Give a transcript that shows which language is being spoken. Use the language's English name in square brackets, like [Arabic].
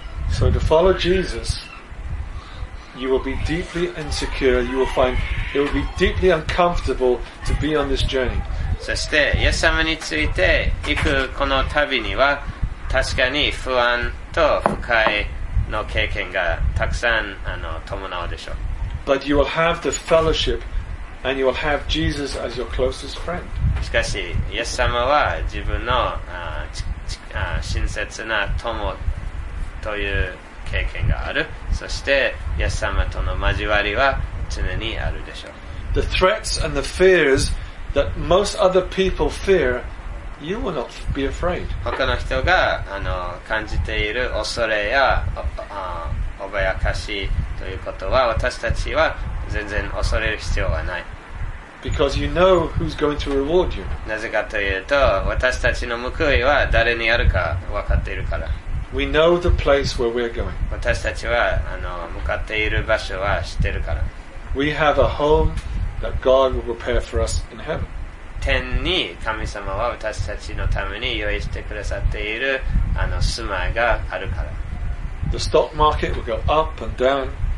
[English] So to follow Jesus, you will be deeply insecure, you will find it will be deeply uncomfortable to be on this journey. [Japanese] そしてイエス様について行くこの旅には確かに不安と不快の経験がたくさん伴うでしょう。 [English] But you will have the fellowship and you will have Jesus as your closest friend. [Japanese] しかしイエス様は自分の親切な友という経験がある。そしてイエス様との交わりは常にあるでしょう。 [English] The threats and the fears that most other people fear, you will not be afraid. [Japanese] 他の人が感じている恐れや脅かしということは私たちは全然恐れる必要はない。 [English] Because you know who's going to reward you. [Japanese] なぜかというと、私たちの報いは誰にあるか分かっているから。 [English] We know the place where we're going. [Japanese] 私たちは向かっている場所は知っているから。 [English] We have a home that God will prepare for us in heaven. [Japanese] 天に神様は私たちのために用意してくださっている住まいがあるから。 [English] The stock market will go up and down.